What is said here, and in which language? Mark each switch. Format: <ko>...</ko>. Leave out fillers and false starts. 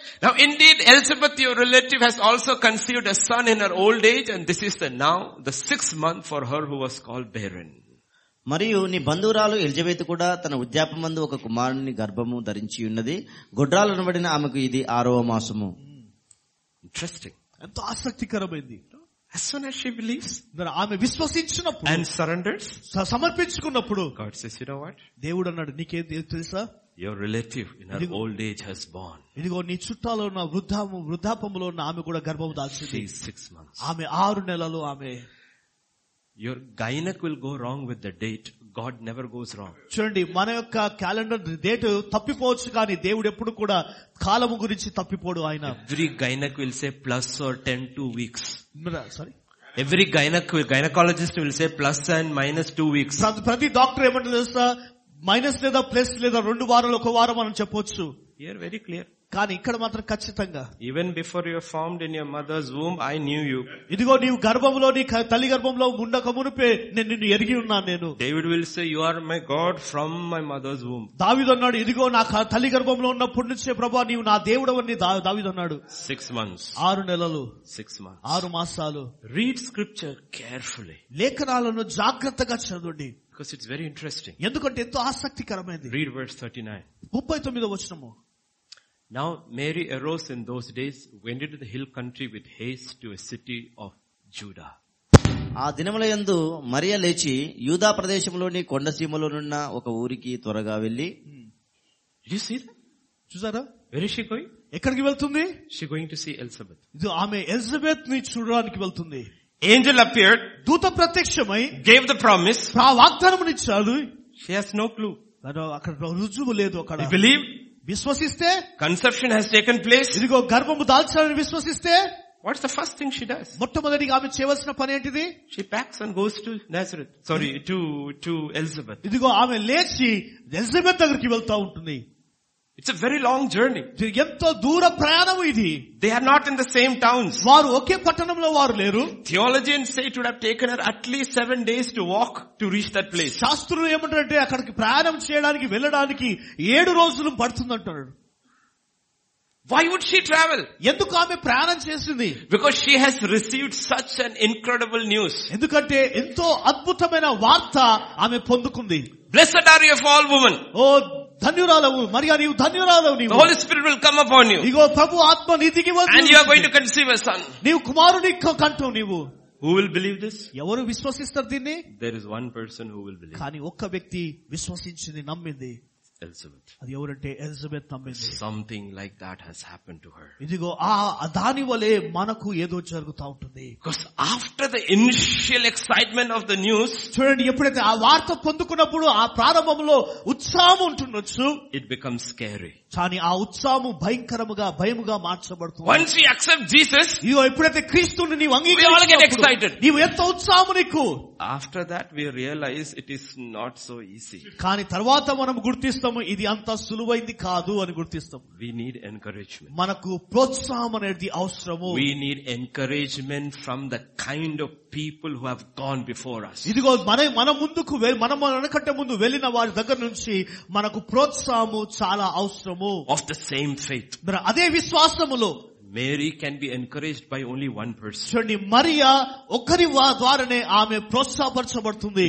<en>Now indeed Elizabeth your relative has also conceived a son in her old age and this is the now the 6th month for her who was called barren.</en> <te>మరియు నీ బంధువురాలు Elizabeth కూడా తన ఉద్యాపమందు ఒక కుమారుని గర్భము ధరించి ఉన్నది గుడ్రాలను పడిన ఆమెకు ఇది 6వ మాసము.</te> <en>Interesting.</en> <te>ఎంతో ఆసక్తికరమైంది.</te> <en>As soon as she believes,</en> <te>ఆమె విశ్వసించినప్పుడు</te> <en>and surrenders,</en> <te>సమర్పించుకున్నప్పుడు</te> <en>God says, you know what?</en> <te>దేవుడు అన్నాడు నీకేం తెలుసా?</te> <en>Your relative in her old age has born.</en> <te>ఇదిగో నీ చుట్టాలో ఉన్న వృద్ధాపములో ఉన్న ఆమె కూడా గర్భము దాల్చింది.</te> <en>6 months.</en> <te>ఆమె 6 నెలలు ఆమె.</te> <en>Your gynec will go wrong with the date. God never goes wrong.</en> <te>చూడండి మన యొక్క క్యాలెండర్ డేట్ తప్పిపోవచ్చు కానీ దేవుడు ఎప్పుడు కూడా కాలము గురించి తప్పిపోడు ఆయన.</te> <en>Every gynaec will say plus or 10 2 weeks. Sorry every gynaec gynaecologist will say plus and minus 2 weeks.</en> <te>ప్రతి డాక్టర్ ఏమంటారు తెలుసా మైనస్ లేదా ప్లస్ లేదా 2 వారాలు 1 వారం అని చెప్పొచ్చు.</te> <en>Here very clear.</en> <te>కానీ ఇక్కడ మాత్రం ఖచ్చితంగా</te> <en>Even before you formed in your mother's womb I knew you.</en> <te>ఇదిగో నీ గర్భంలో నీ తల్లి గర్భంలో ఉండక మునిపే నేను నిన్ను ఎరిగి ఉన్నాను. నేను</te> <en>David will say you are my God from my mother's womb.</en> <te>దావీదు అన్నాడు ఇదిగో నా తల్లి గర్భంలో ఉన్నప్పటి నుంచే ప్రభువా నీవు నా దేవుడు అని దావీదు అన్నాడు.</te> <en>6 months.</en> <te>6 నెలలు.</te> <en>6 months.</en> <te>6 మాసాలు.</te> <en>Read scripture carefully.</en> <te>లేఖనాలను జాగ్రత్తగా చదవండి.</te> <en>Because it's very interesting.</en> <te>ఎందుకంటే ఎంతో ఆసక్తికరమైనది.</te> <en>Read verse 39.</en> <te>39వ వచనము.</te> <en>Now Mary arose in those days, went into the hill country with haste to a city of Judah.</en> <te>ఆ దినములయందు మరియ లేచి యూదా ప్రదేశములోని కొండసీమలోనున్న ఒక ఊరికి త్వరగా వెళ్లి.</te> <en>Did you see that?</en> <te>చూసారా?</te> <en>Where is she going?</en> <te>ఎక్కడికి వెళ్తుంది?</te> <en>She going to see Elizabeth.</en> <te>ఇది ఆమె ఎలిజబెత్ ని చూడడానికి వెళ్తుంది.</te> <en>Angel appeared.</en> <te>దూత ప్రత్యక్షమై</te> <en>gave the promise.</en> <te>ఆ వాగ్దానం ఇచ్చాడు.</te> <en>She has no clue.</en> <te>అక్కడ రుజువు లేదు. అక్కడ విశ్వసిస్తే</te> <en>conception has taken place.</en> <te>ఇదిగో గర్భము దాల్చాలని విశ్వసిస్తే</te> <en>what's the first thing she does?</en> <te>మొట్టమొదటిగా ఆమె చేయవలసిన పని ఏంటిది?</te> <en>She packs and goes to Nazareth. Sorry, to Elizabeth.</en> <te>ఇదిగో ఆమె లేచి ఎలిజబెత్ దగ్గరికి వెళ్తా ఉంటుంది.</te> <en>It's a very long journey.</en> <te>ఎంత దూర ప్రయాణం ఇది.</te> <en>They are not in the same towns.</en> <te>వారు ఒకే పట్టణంలో వారు లేరు.</te> <en>Theologians say it would have taken her at least 7 days to walk to reach that place.</en> <te>శాస్త్రులు ఏమంటారంటే అక్కడికి ప్రయాణం చేయడానికి వెళ్ళడానికి 7 రోజులు పడుతుంది అంటారు.</te> <en>Why would she travel?</en> <te>ఎందుకు ఆమె ప్రయాణం చేస్తుంది?</te> <en>Because she has received such an incredible news.</en> <te>ఎందుకంటే ఎంతో అద్భుతమైన వార్త ఆమె పొందుకుంది.</te> <en>Blessed are you of all women.</en> <te>ఓ ధన్యురాలవు మరియా నీవు ధన్యురాలవు.</te> <en>The Holy Spirit will come upon you.</en> <te>ఇగో ప్రభు ఆత్మ నీతికి వస్తుంది.</te> <en>And you are going to conceive a son.</en> <te>నీవు కుమారుని కంటావు నీవు.</te> <en>Who will believe this?</en> <te>ఎవరు విశ్వసిస్తారు దీన్ని?</te> <en>There is one person who will believe.</en> <te>కానీ ఒక్క వ్యక్తి విశ్వసించింది, నమ్మింది. అది ఎవరంటే ఎలిజబెత్ నమ్మింది.</te> <en>Something like that has happened to her.</en> <te>ఇదిగో ఆ దాని వలే మనకు ఏదో జరుగుతా ఉంటుంది.</te> <en>Because after the initial excitement of the news,</en> <te>చూడండి ఎప్పుడైతే ఆ వార్త పొందుకున్నప్పుడు ఆ ప్రారంభంలో ఉత్సాహం ఉంటుండొచ్చు.</te> <en>It becomes scary.</en> <te>కానీ ఆ ఉత్సాహము భయంకరముగా భయముగా మార్చబడుతుంది.</te> <en>Once you accept Jesus,</en> <te>ఇదిగో ఎప్పుడైతే క్రీస్తుని నీవు అంగీకరించినప్పుడు నీవు ఎంత ఉత్సాహము నీకు.</te> <en>After that we realize it is not so easy.</en> <te>కానీ తర్వాత మనం గుర్తిస్తాము ఇది అంత సులువైంది కాదు అని గుర్తిస్తాం.</te> <en>We need encouragement.</en> <te>మనకు ప్రోత్సాహం అనేది అవసరము.</te> <en>We need encouragement from the kind of people who have gone before us.</en> <te>ఇదిగో మన ముందుకు మనం అనకట్టే ముందు వెళ్లిన వారి దగ్గర నుంచి మనకు ప్రోత్సాహము చాలా అవసరము.</te> <en>Of the same faith.</en> <te>అదే విశ్వాసములో</te> <en>Mary can be encouraged by only one person.</en> <te>చూడండి మరియా ఒక్కరి ద్వారానే ఆమె ప్రోత్సాహపరచబడుతుంది.</te>